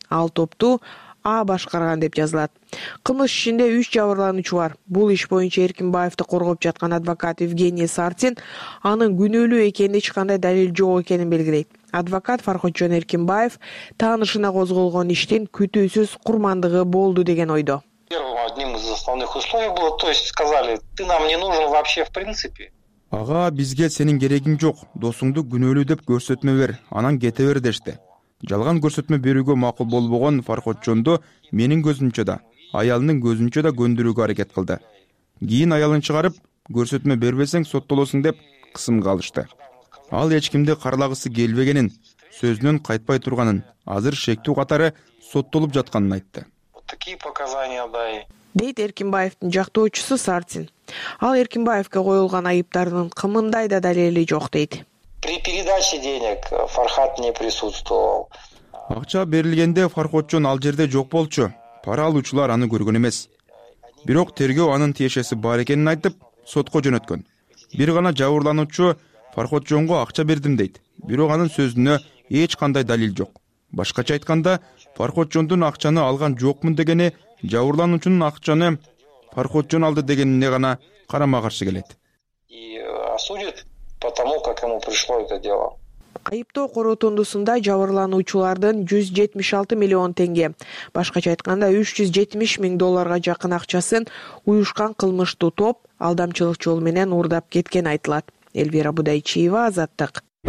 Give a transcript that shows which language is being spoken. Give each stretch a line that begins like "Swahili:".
Kyrgyz: Ал топту А башкарган деп жазылат. Кылмыш ишинде 3 жабырлануучу бар. Бул иш боюнча Эркинбаевди коргоп жаткан адвокат Евгений Сартин анын күнөөлүү экенине эч кандай далил жок экенин белгилейт. Адвокат Фархотжон Эркинбаев таанышына козголгон иштин күтүүсүз курмандыгы болду деген ойдо.
Russian: Одним из основных условий было, то есть сказали, ты нам не нужен вообще в принципе.
Kyrgyz: Ага, бизге сенин керегиң жок, досуңду күнөөлүү деп көрсөтмө бер, анан кете бер дешти. Жалган көрсөтмө берүүгө макул болбогон Фархотжонду менин көзүмчө да, аялынын көзүнчө да көндүрүүгө аракет кылды. Кийин аялын чыгарып, көрсөтмө бербесең соттолосуң деп кысымга алышты. Ал эч кимди карлагысы келбегенин, сөзүнөн кайтпай турганын, азыр шектүү катары соттолуп жатканын айтты.
Russian: Такие показания дай.
Kyrgyz: Дейт Эркинбаевдин жактоочусу Сартин. Ал Эркинбаевке коюлган айыптардын кымындай да далели жок дейт.
Russian: При передаче денег Фархат не присутствовал.
Kyrgyz: Акча берилгенде Фархотжон ал жерде жок болчу. Пара алуучулар аны көргөн эмес. Бирок тергөө анын тиешеси бар экенин айтып, сотко жөнөткөн. Бир гана жабырлануучу Фархотжонго акча бердим дейт. Бирок анын сөзүнө эч кандай далил жок. Башкача айтканда, Фархотжондун акчаны алган жокмун дегени жабырлануучунун акчаны Фархотжон алды дегенине гана карама каршы келет.
Russian: И осудит по тому, как ему пришло это дело.
Kyrgyz: Айыптоо корутундусунда жабырлануучулардын 176 миллион теңге, башкача айтканда 370 миң долларга жакын акчасын уюшкан кылмыштуу топ алдамчылык жолу менен уурдап кеткени айтылат. Эльвира Будайчиева, Азаттык.